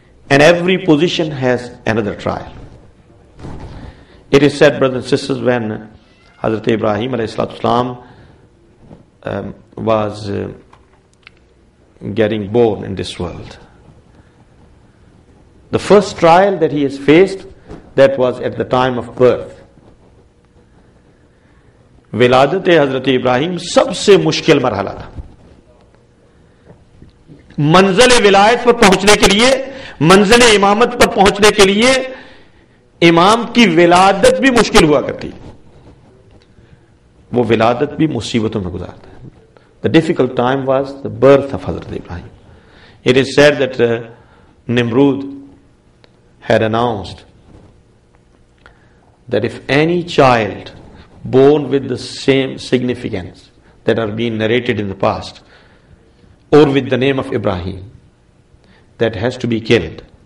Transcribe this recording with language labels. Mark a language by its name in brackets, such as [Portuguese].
[English] And every position has another trial. It is said, brothers and sisters, when Hazrat Ibrahim alayhi salatu salam was getting born in this world, the first trial that he has faced, that was at the time of birth. [Urdu] ولادت حضرت ابراہیم سب سے مشکل مرحلہ تھا. منزل ولایت پر پہنچنے کے لیے, منزل امامت پر پہنچنے کے لیے امام کی ولادت بھی مشکل ہوا کرتی. وہ ولادت بھی مصیبتوں میں گزارتا ہے. [English] The difficult time was the birth of Hazrat Ibrahim. It is said that Nimrod had announced that if any child born with the same significance that are being narrated in the past or with the name of Ibrahim, that has to be killed.